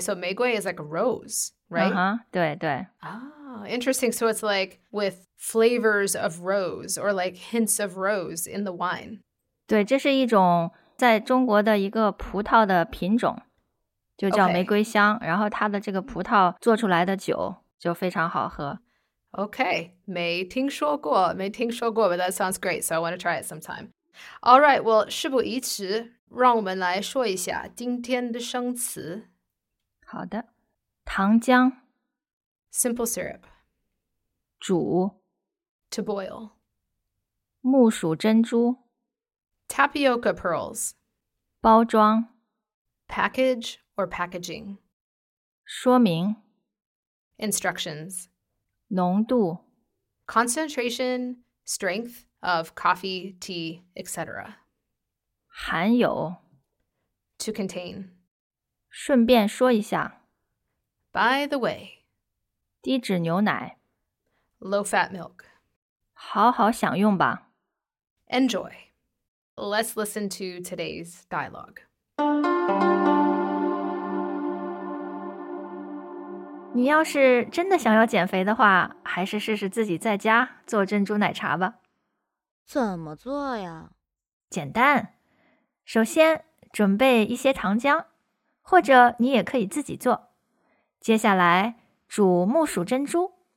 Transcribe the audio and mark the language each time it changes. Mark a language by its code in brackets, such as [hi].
[en] so玫瑰 is like a rose, right? [zh] Uh-huh,对,对。 [en] Interesting. So it's like flavors of rose or like hints of rose in the wine. [zh] 对，这是一种在中国的一个葡萄的品种，就叫玫瑰香。然后它的这个葡萄做出来的酒就非常好喝。Okay, 没听说过, [en] but that sounds great. So I want to try it sometime. All right, well, [zh] 事不宜迟, 让我们来说一下今天的生词。好的,糖浆, [en] simple syrup. [zh] 煮, [en] to boil. [zh] 木薯珍珠, [en] tapioca pearls. [zh] 包装, [en] package or packaging. [zh] 说明, [en] instructions. [zh] 浓度, [en] concentration, strength of coffee, tea, etc. [zh] 含有, [en] to contain. [zh] 顺便说一下, [en] by the way. [zh] 低脂牛奶, [en] low-fat milk. [zh] 好好享用吧. [en] Enjoy. Let's listen to today's dialogue. [zh] 你要是真的想要减肥的话，还是试试自己在家做珍珠奶茶吧。怎么做呀？简单，首先准备一些糖浆，或者你也可以自己做。接下来煮木薯珍珠。